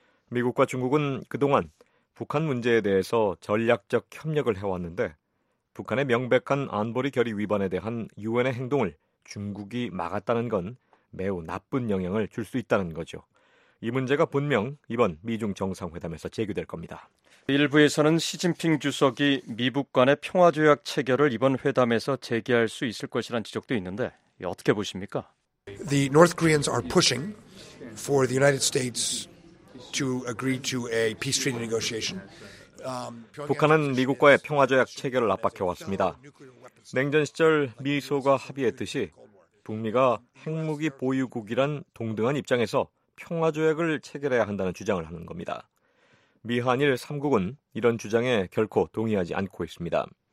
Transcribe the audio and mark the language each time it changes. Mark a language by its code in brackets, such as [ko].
[ko] 미국과 중국은 그동안 북한 문제에 대해서 전략적 협력을 해왔는데 북한의 명백한 안보리 결의 위반에 대한 유엔의 행동을 중국이 막았다는 건 매우 나쁜 영향을 줄 수 있다는 거죠. 이 문제가 분명 이번 미중 정상회담에서 제기될 겁니다. 일부에서는 시진핑 주석이 미북 간의 평화조약 체결을 이번 회담에서 제기할 수 있을 것이란 지적도 있는데 어떻게 보십니까? [en] The North Koreans are pushing for the United States to agree to a peace treaty negotiation. [ko] 북한은 미국과의 평화조약 체결을 압박해왔습니다. 냉전 시절 미소가 합의했듯이 북미가 핵무기 보유국이란 동등한 입장에서 평화조약을 체결해야 한다는 주장을 하는 겁니다. 미한일 3국은 이런 주장에 결코 동의하지 않고 있습니다.